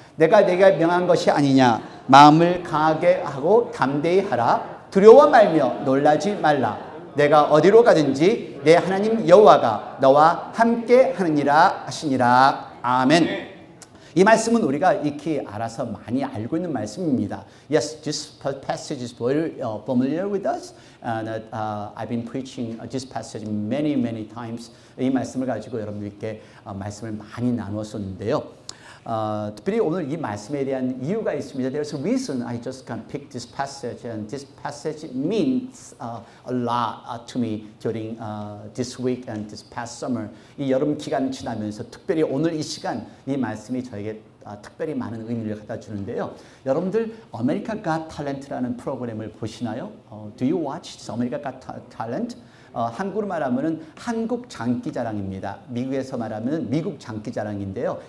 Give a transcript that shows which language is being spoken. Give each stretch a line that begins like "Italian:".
Korean: 내가 네가 명한 것이 아니냐. 마음을 강하게 하고 담대히 하라. 두려워 말며 놀라지 말라. 내가 어디로 가든지 내 하나님 여호와가 너와 함께 하느니라 하시니라. 아멘. 이 말씀은 우리가 익히 알아서 많이 알고 있는 말씀입니다.
English: Yes, this passage is very familiar with us. And I've been preaching this passage many, many times.
Korean: 이 말씀을 가지고 여러분들께 말씀을 많이 나누었었는데요. 특별히 오늘 이 말씀에 대한 이유가 있습니다.
English: There's a reason I just can pick this passage. And this passage means a lot to me during this week and this past summer.
Korean: 이 여름 기간 지나면서 특별히 오늘 이 시간 이 말씀이 저에게 특별히 많은 의미를 갖다 주는데요. 여러분들 America Got Talent라는 프로그램을 보시나요?
English: Do you watch this America Got Talent?
Korean: 한국으로 말하면 한국 장기자랑입니다. 미국에서 말하면 미국 장기자랑인데요.